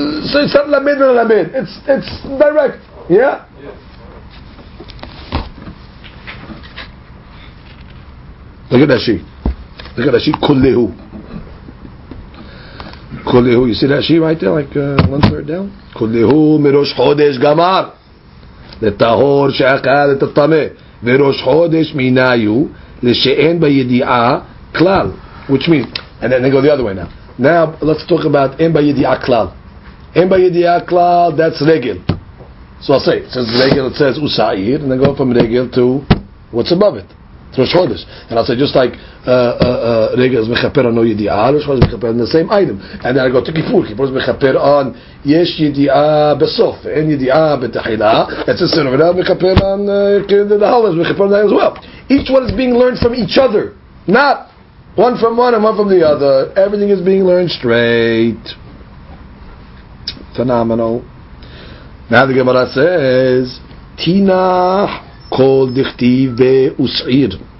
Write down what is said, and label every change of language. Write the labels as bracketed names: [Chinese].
[English] So it's not Lamed and Lamed. It's direct. Yeah? Look at that sheet. Look at that sheet, kullihu. Kullihu, you see that sheet right there, like one third down? [Hebrew] Kullihu mirosh chodesh gamar. לטהור שאכל את הטמא וראש חודש מיניו לשאין בידיעה כלל. [English] Which means, and then they go the other way now. Now let's talk about [Hebrew] אין בידיעה כלל. אין בידיעה כלל, that's רגל. [English] So I'll say, since רגל it says usair, and then go from רגל to what's above it. It's ראש חודש. And I'll say, just like רגל is מחפר on no ידיעה, ראש חודש מחפר on the same item. And then I go to כיפור, כיפור is מחפר on [Hebrew] יש ידיעה בסוף, אין ידיעה בתחילה. [English] It's a sin, ואין מחפר on the dollars, מחפר on that as well. Each one is being learned from each other, not one from one and one from the other. Everything is being learned straight. Phenomenal. Now the Gemara says, [Hebrew] Tina kol dichtiv ve usir.